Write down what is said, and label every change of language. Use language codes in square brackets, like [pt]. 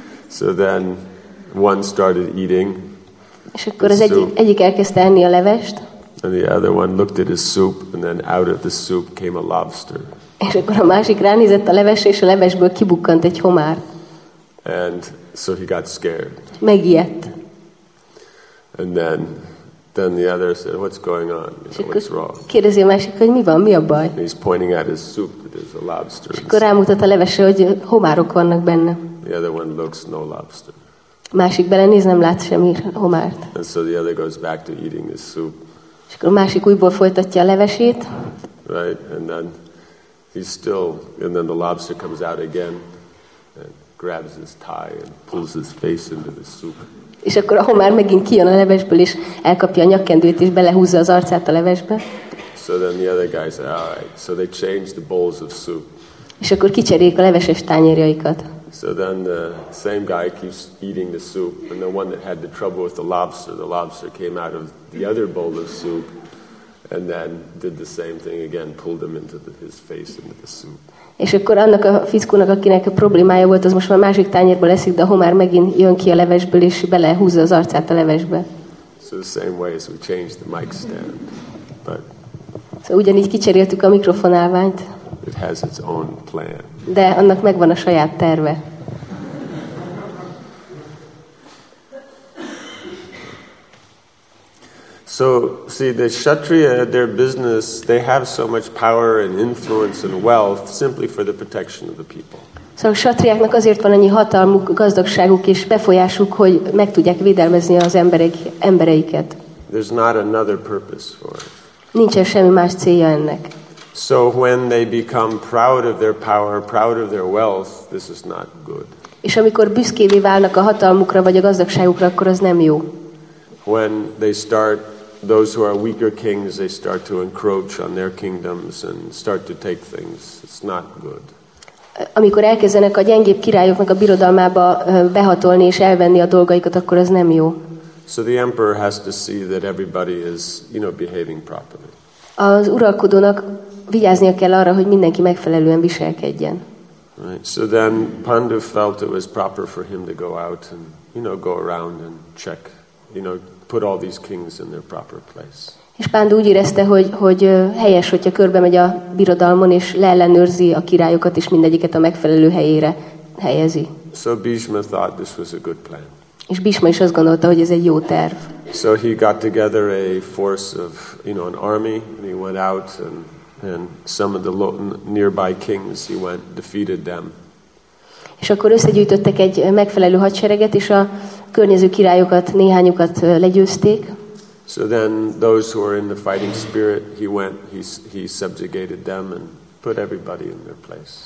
[en] So then one started eating. [hu] És akkor az egyik elkezdte enni a levest. [en] And the other one looked at his soup, and then out of the soup came a lobster. [hu] És akkor a másik ránézett a levesre, és a levesből kibukkant egy homár. [en] And so he got scared. [hu] Megijedt. [en] And then the other said, "What's going on? What's wrong?" [hu] Kérdezi a másik, hogy mi van, mi a baj? [en] And he's pointing at his soup that there's a lobster. [hu] És akkor rámutat a levesre, hogy homárok vannak benne. [en] The other one looks, no lobster. [hu] Másik belenéz, nem lát semmi homárt. [en] And so the other goes back to eating his soup. [hu] És akkor a másik újból folytatja a levesét. [en] Right, and then he's still, and then the lobster comes out again and grabs his tie and pulls his face into the soup. [hu] És akkor a homár megint kijön a levesből, és elkapja a nyakkendőt, és belehúzza az arcát a levesbe. [en] So then the other guy said, all right, so they change the bowls of soup. [hu] És akkor kicserélik a leveses tányérjaikat. [en] So then the same guy keeps eating the soup, and the one that had the trouble with the lobster came out of the other bowl of soup, and then did the same thing again, pulled him into his face into the soup. [hu] És akkor annak a fickónak, akinek a problémája volt, az most már másik tányérból eszik, de a homár megint jön ki a levesből, és belehúzza az arcát a levesbe. [en] So the same way as we changed the mic stand. But [hu] so ugyanígy kicseréltük a mikrofonálványt. [en] It has its own plan. [hu] De annak megvan a saját terve. [en] So, see, the Kshatriya, their business, they have so much power and influence and wealth simply for the protection of the people. [hu] Szóval a Kshatriáknak azért van annyi hatalmuk, gazdagságuk és befolyásuk, hogy meg tudják védelmezni az embereiket. [en] There's not another purpose for it. [hu] Nincsen semmi más célja ennek. [en] So when they become proud of their power, proud of their wealth, this is not good. [hu] És amikor büszkévé válnak a hatalmukra vagy a gazdagságukra, akkor az nem jó. [en] When they start, those who are weaker kings, they start to encroach on their kingdoms and start to take things. It's not good. [hu] Amikor elkezdenek a gyengébb királyoknak a birodalmába behatolni és elvenni a dolgaikat, akkor az nem jó. [en] So the emperor has to see that everybody is, you know, behaving properly. [hu] Az uralkodónak vigyáznia kell arra, hogy mindenki megfelelően viselkedjen. [en] Right. So then Pandu felt it was proper for him to go out and, you know, go around and check, you know, put all these kings in their proper place. [hu] És Pandu úgy érezte, hogy helyes, hogyha körbe megy a birodalmon és leellenőrzi a királyokat és mindegyiket a megfelelő helyére helyezi. [en] So Bhishma thought this was a good plan. [hu] És Bhishma is azt gondolta, hogy ez egy jó terv. [en] So he got together a force of, you know, an army, and he went out and some of the nearby kings, he went, defeated them. [hu] És akkor összegyűjtöttek egy megfelelő hadsereget, és a környező királyokat, néhányukat legyőzték. [en] So then those who were in the fighting spirit, he went, he subjugated them and put everybody in their place.